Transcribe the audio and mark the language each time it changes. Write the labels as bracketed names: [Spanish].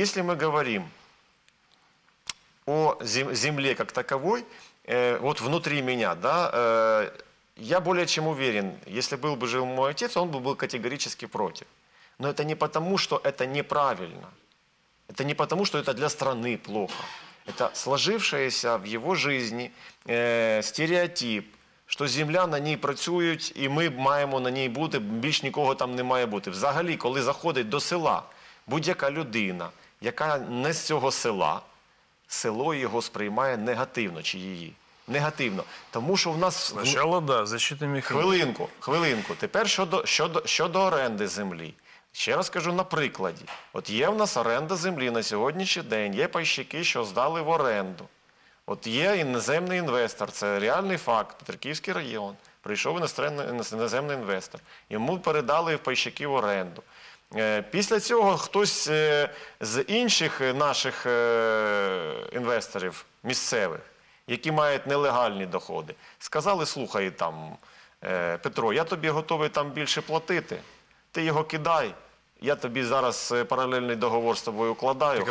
[Russian] Если мы говорим о земле как таковой, вот внутри меня, да, я более чем уверен, если был бы жил мой отец, он бы был категорически против. Но это не потому, что это неправильно. Это не потому, что это для страны плохо. Это сложившаяся в его жизни стереотип, что земля на ней [Ukrainian] працюет, и мы маємо на ней бути, більш нікого там не має бути. Взагалі, коли заходить до села, будь-яка людина, яка не з цього села, село його сприймає негативно, чи її. Негативно. Тому що в нас... Спочатку, да, защитний механізм. Хвилинку, хвилинку. Тепер щодо оренди землі. Ще раз кажу на прикладі. От є в нас оренда землі на сьогоднішній день. Є пайщики, що здали в оренду. От є іноземний інвестор. Це реальний факт. Петриківський район. Прийшов іноземний інвестор. Йому передали пайщики в оренду. Після цього хтось з інших наших інвесторів місцевих, які мають нелегальні доходи, сказали, слухай, там, Петро, я тобі готовий там більше платити, ти його кидай, я тобі зараз паралельний договор з тобою укладаю.